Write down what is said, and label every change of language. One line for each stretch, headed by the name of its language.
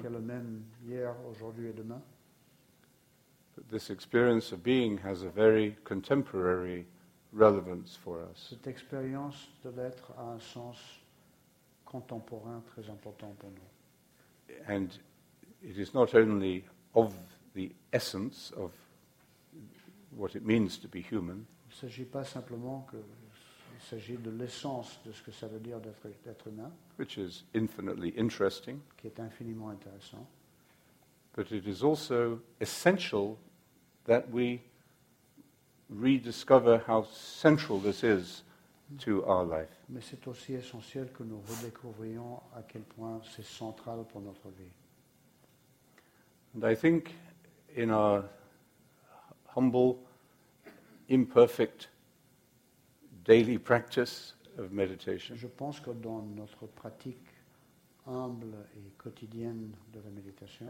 French: qui est le même hier, aujourd'hui et demain.
English: This experience of being has a very contemporary relevance for us.
French: Cette expérience de l'être a un sens contemporain très important pour nous.
English: And it is not only of the essence of what it means to be human.
French: Il ne s'agit pas simplement que il s'agit de l'essence de ce que ça veut dire d'être humain.
English: Which is infinitely interesting.
French: Qui est infiniment intéressant.
English: But it is also essential that we rediscover how central this is to our life.
French: Mais c'est aussi essentiel que nous redécouvrions à quel point c'est central pour notre vie.
English: And I think in our humble, imperfect daily practice of meditation,
French: je pense que dans notre pratique humble et quotidienne de la méditation,